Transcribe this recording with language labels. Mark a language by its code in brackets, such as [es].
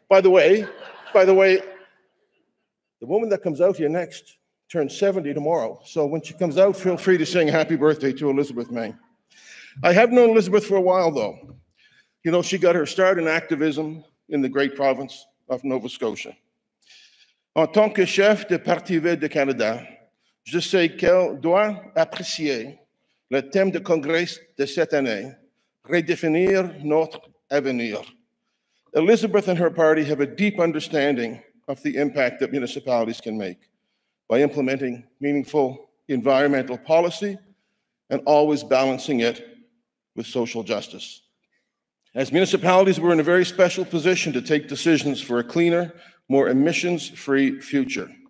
[en] By the way, the woman that comes out here next turns 70 tomorrow, so when she comes out, feel free to sing happy birthday to Elizabeth May. I have known Elizabeth for a while, though. You know, she got her start in activism in the great province of Nova Scotia. [fr] En tant que chef de Parti Vert de Canada, je sais qu'elle doit apprécier le thème du Congrès de cette année, redéfinir notre avenir. [en] Elizabeth and her party have a deep understanding of the impact that municipalities can make by implementing meaningful environmental policy and always balancing it with social justice. As municipalities, we're in a very special position to take decisions for a cleaner, more emissions-free future.